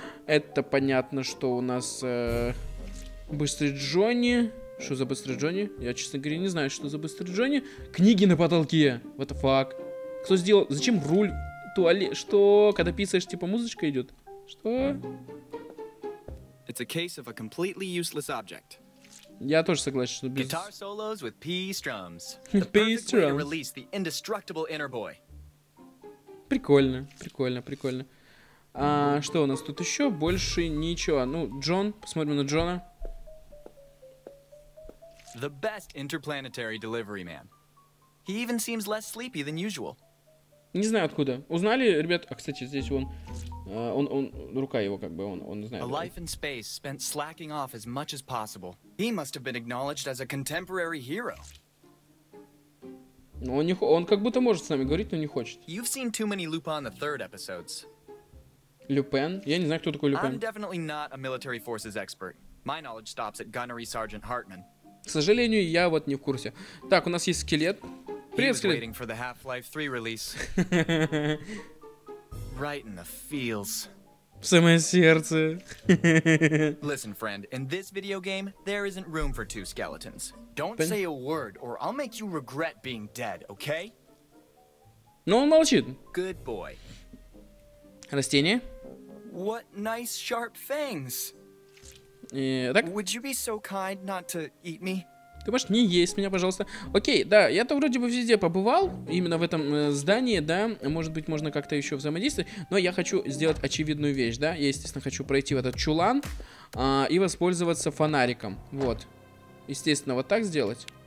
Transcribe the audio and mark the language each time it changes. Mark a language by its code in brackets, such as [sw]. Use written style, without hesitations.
[ru] Это понятно, что у нас Быстрый Джонни... Что за Быстрый Джонни? Я, честно говоря, не знаю, что за Быстрый Джонни. Книги на потолке. [en] What the fuck? [ru] Кто сделал? Зачем руль? Туалет? Что? Когда писаешь, типа, музычка идет? Что? [en] It's a case of a completely useless object. [ru] Я тоже согласен, что [en] без... Guitar solos with P-strums. P-strums. To release the indestructible inner boy. [ru] Прикольно, прикольно, прикольно. А что у нас тут еще? Больше ничего. Ну, Джон, посмотрим на Джона. [en] The best interplanetary delivery man. He even seems less sleepy than usual. [ru] Не знаю откуда. Узнали, ребят? А, кстати, здесь он... Он рука его как бы, он знает. [en] A life in space spent slacking off as much as possible. He must have been acknowledged as a contemporary hero. [ru] Ну, он как будто может с нами говорить, но не хочет. [en] You've seen too many Lupin the Third episodes. [ru] Люпен? Я не знаю, кто такой Люпен. [en] I'm definitely not a military forces expert. My knowledge stops at Gunnery Sergeant Hartman. [ru] К сожалению, я вот не в курсе. Так, у нас есть скелет. Привет, скелет. [en] Waiting for the Half-Life 3 release. Right in the feels. [ru] В самое сердце. [en] Listen, friend, in this video game there isn't room for two skeletons. Don't say a word, or I'll make you regret being dead, okay? [ru] Ну, он молчит. [en] Good boy. [ru] Растение? [en] What nice sharp fangs. [ru] Так. [en] Would you be so kind not to eat me? [ru] Ты можешь не есть меня, пожалуйста. Окей, да, я-то вроде бы везде побывал. Именно в этом здании, да. Может быть, можно как-то еще взаимодействовать. Но я хочу сделать очевидную вещь, да. Я, естественно, хочу пройти в этот чулан и воспользоваться фонариком. Вот. Естественно, вот так сделать.